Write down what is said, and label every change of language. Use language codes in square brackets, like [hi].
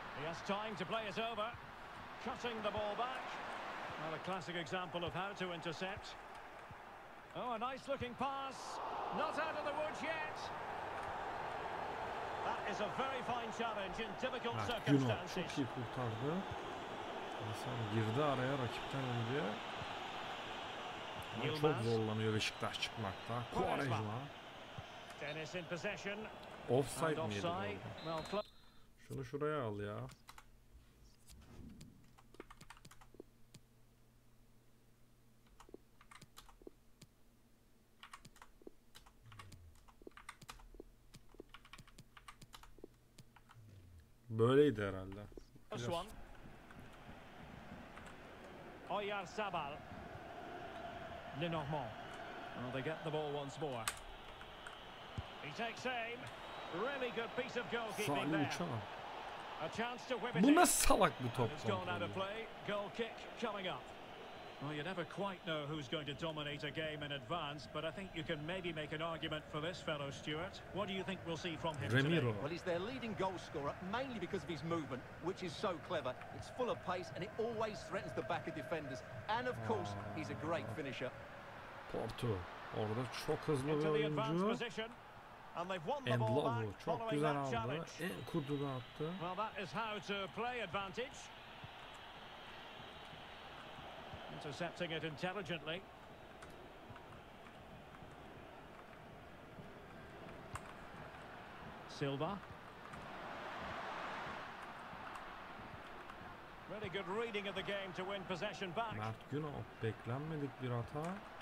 [en] He has time to play it over. Cutting the ball back. Well, a classic example of how to intercept. Oh, a nice looking pass. Not out of the woods yet. That is a very fine challenge in difficult circumstances. [tr] Çok iyi kurtardı. Hasan girdi araya rakipten önce. Ama çok zorlanıyor Beşiktaş çıkmakta. Quaresma. [en] Dennis in possession. [tr] Offside miydi? Şunu şuraya al ya. Böyleydi herhalde. Oyarzabal. Lenormand. [en] Well, they get the ball once more. He takes aim. Really good piece of goalkeeping there. A chance to whip it in. [tr] Bu ne salak bir top kontrolü. [en] He's gone out of play. Goal kick coming up. Well, you never quite know who's going to dominate a game in advance, but I think you can maybe make an argument for this fellow, Stuart. What do you think we'll see from him Ramiro. Today? Well, he's their leading goal scorer, mainly because of his movement, which is so clever. It's full of pace, and it always threatens the back of defenders. And, of course, he's a great finisher. [tr] Porto, orada çok hızlı bir oyuncu. [en] And they've won the ball back following that challenge. [tr] En kurduğunu attı. [en] Well, that is how to play advantage. Intercepting it intelligently. Silva. Really good reading of the game to win possession back. [tr] Mert Günal, beklenmedik bir hata.